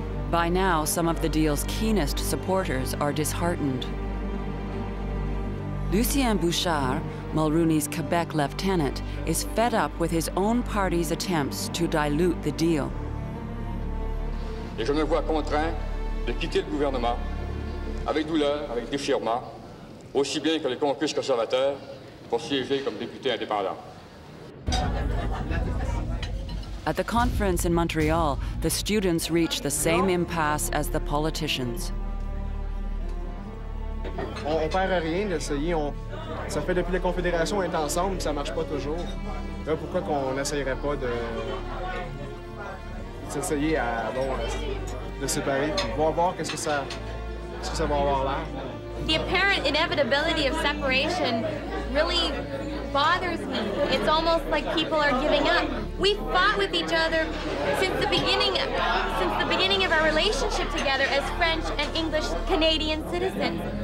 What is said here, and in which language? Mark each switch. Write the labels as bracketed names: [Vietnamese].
[English] By now, some of the deal's keenest supporters are disheartened. Lucien Bouchard, Mulroney's Quebec lieutenant, is fed up with his own party's attempts to dilute the deal. [French] Et je me vois contraint de quitter le gouvernement avec douleur, avec déchirement, aussi bien que les caucus conservateurs pour siéger comme député indépendant. [English] At the conference in Montreal, the students reach the same impasse as the politicians. [French] On perd à rien d'essayer. Ça fait depuis la Confédération, on est ensemble, ça marche pas toujours. Là, pourquoi qu'on n'essayerait pas de s'essayer à bon de séparer, puis voir qu'est-ce que ça va avoir l'air. [English] The apparent inevitability of separation really bothers me. It's almost like people are giving up. We fought with each other since the beginning of our relationship together as French and English Canadian citizens.